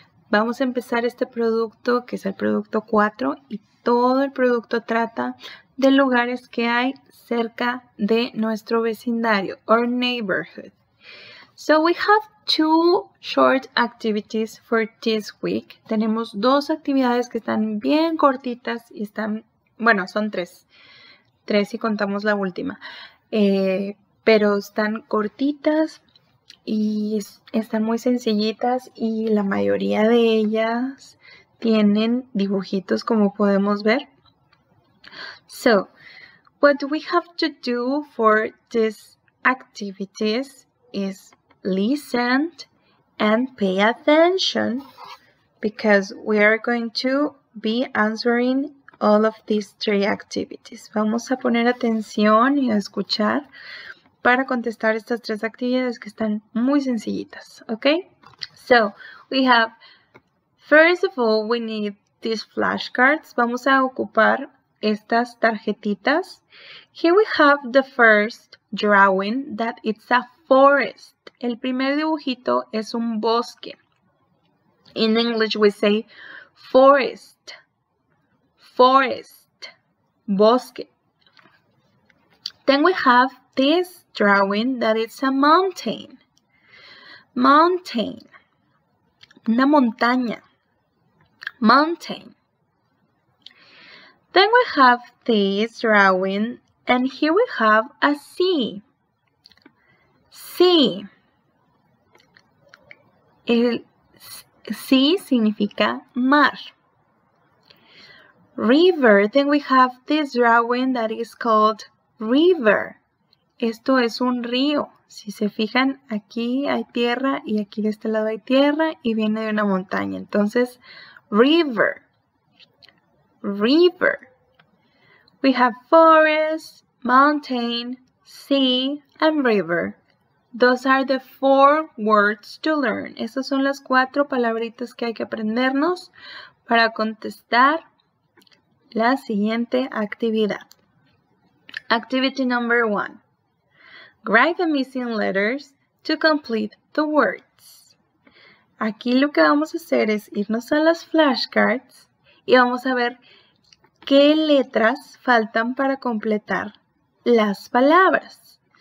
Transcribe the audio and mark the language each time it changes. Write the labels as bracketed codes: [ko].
[es] Vamos a empezar este producto que es el producto 4 y todo el producto trata de lugares que hay cerca de nuestro vecindario, [en] our neighborhood. So we have two short activities for this week. [es] Tenemos dos actividades que están bien cortitas y están, bueno, son tres. Tres y contamos la última. Pero están cortitas y están muy sencillitas y la mayoría de ellas tienen dibujitos como podemos ver. [en] So, what we have to do for these activities is listen and pay attention because we are going to be answering all of these three activities. [es] Vamos a poner atención y a escuchar para contestar estas tres actividades que están muy sencillitas, ¿okay? [en] So, we have, first of all, we need these flashcards. [es] Vamos a ocupar estas tarjetitas. [en] Here we have the first drawing that it's a forest. [es] El primer dibujito es un bosque. [en] In English we say forest. Forest. [es] Bosque. [en] Then we have this drawing that it's a mountain. Mountain. [es] Una montaña. [en] Mountain. Then we have this drawing and here we have a sea. Sea. [es] El sí significa mar. [en] River. Then we have this drawing that is called river. [es] Esto es un río. Si se fijan, aquí hay tierra y aquí de este lado hay tierra y viene de una montaña. Entonces, river. [en] River. We have forest, mountain, sea, and river. Those are the four words to learn. [es] Esas son las cuatro palabritas que hay que aprendernos para contestar la siguiente actividad. [en] Activity number one. Grab the missing letters to complete the words. [es] Aquí lo que vamos a hacer es irnos a las flashcards y vamos a ver qué letras faltan para completar las palabras.